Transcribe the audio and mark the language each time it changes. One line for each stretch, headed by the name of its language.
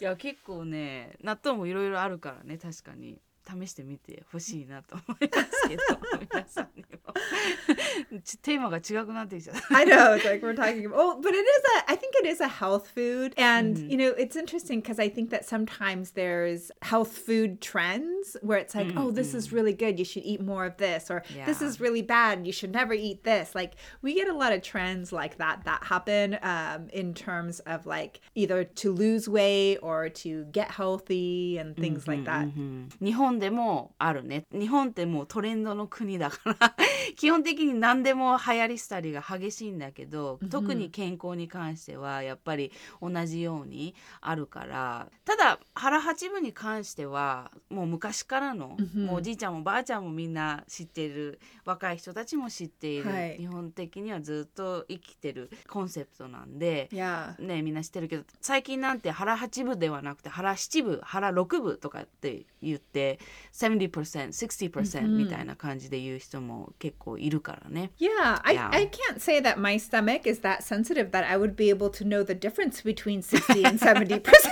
Japanese: いや、結構ね、納豆もいろいろあるからね、確かに。試してみてほしいなと思いますけど、皆さんにも。テーマが違くなってきちゃった。
English: I know, it's like we're talking about... Oh, but it is a... I think it is a health food. And, mm-hmm. you know, it's interesting because I think that sometimes there's health food trends where it's like, mm-hmm. oh, this is really good, you should eat more of this. Or yeah. this is really bad, you should never eat this. Like, we get a lot of trends like that happen in terms of like either to lose weight or to get healthy and things mm-hmm. like that.
Japanese: Mm-hmm. 日本でもあるね。日本ってもうトレンドの国だから基本的に何でも流行りしたりが激しいんだけど、特に健康に関してはやっぱり同じようにあるから、ただ腹八分に関してはもう昔からの、うん、もうおじいちゃんもばあちゃんもみんな知ってる、若い人たちも知っている、はい、日本的にはずっと生きてるコンセプトなんで、 yeah. ね、みんな知ってるけど、最近なんて腹八分ではなくて腹七分、腹六分とかって言って 70%、60% みたいな感じで言う人も結構いるからね。
English: Yeah, I can't say that my stomach is that sensitive that I would be able to know the difference between 60 and 70%.